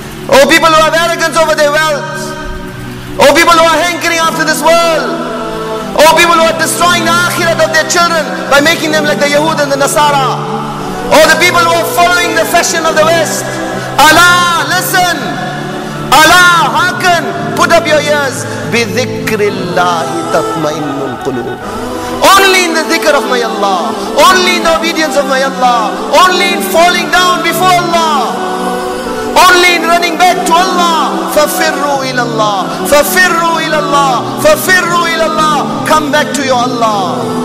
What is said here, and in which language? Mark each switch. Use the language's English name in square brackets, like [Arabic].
[English] O people who have arrogance over their wealth. O people who are hankering after this world. O people who are destroying the akhirat of their children by making them like the Yahud and the Nasara. Or the people who are following the fashion of the West. Allah, listen. Allah, hearken. Put up your ears. [Arabic] بِذِكْرِ اللَّهِ qulub. [English] Only in the dhikr of my Allah. Only in the obedience of my Allah. Only in falling down before Allah. Only in running back to Allah. [Arabic] فَفِرُّوا إِلَى اللَّهِ فَفِرُّوا إِلَى اللَّهِ فَفِرُّوا إِلَى اللَّهِ. [English] Come back to your Allah.